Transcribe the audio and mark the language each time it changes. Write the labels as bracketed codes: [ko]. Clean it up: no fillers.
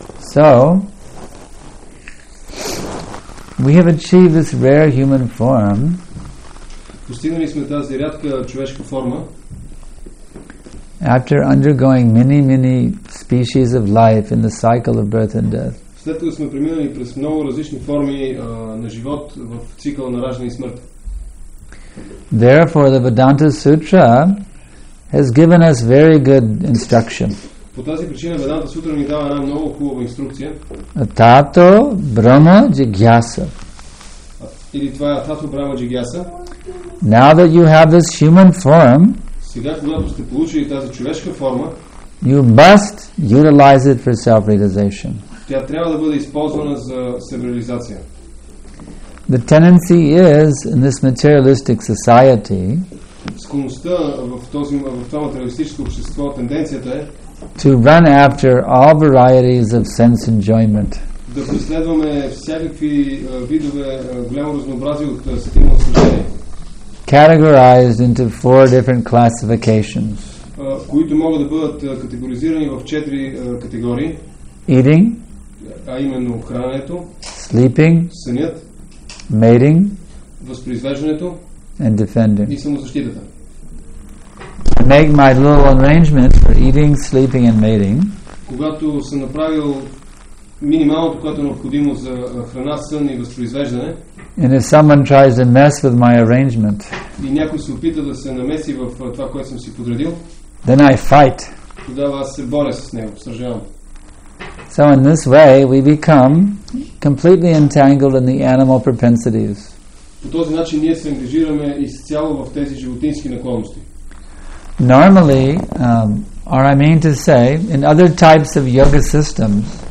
[en] So, we have achieved this rare human form. [bg] Постигнали сме тази рядка човешка форма. [en] After undergoing many, many species of life in the cycle of birth and death. [bg] След като сме преминали през много различни форми на живот в цикъла на раждане и смърт. [en] Therefore, the Vedanta Sutra has given us very good instruction. [bg] По тази причина Vedanta Sutra ни дава една много хубава инструкция. [sa] Атато Брама Джигьяса. [bg] Или това е Атато Брама Джигьяса. [en] Now that you have this human form, [bg] сега, когато сте получили тази човешка форма, [en] you must utilize it for self-realization. [bg] Тя трябва да бъде използвана за себеализация. [en] The tendency is in this materialistic society, [bg] склонността в това материалистическо общество, тенденцията е [en] to run after all varieties of sense enjoyment. [bg] Да преследваме всякакви видове голямо разнообразие от стимул усещания. [en] Categorized into four different classifications. [bg] Които могат да бъдат категоризирани в четири категории. [en] Eating, [bg] а именно храненето, [en] sleeping, [bg] сънят, [en] mating, [bg] възпроизвеждането, [en] and defending, [bg] и самозащитата. [en] I make my little arrangement for eating, sleeping and mating. [bg] Когато съм направил минималното, което е необходимо за храна, сън и възпроизвеждане. [en] And if someone tries to mess with my arrangement, [bg] и някой се опита да се намеси в това, което съм си подредил, [en] then I fight. [bg] Тогава аз се боря с него, сражавам. [en] So in this way we become completely entangled in the animal propensities. [bg] По този начин ние се ангажираме изцяло в тези животински наклонности. [en] Normally, I mean to say, in other types of yoga systems,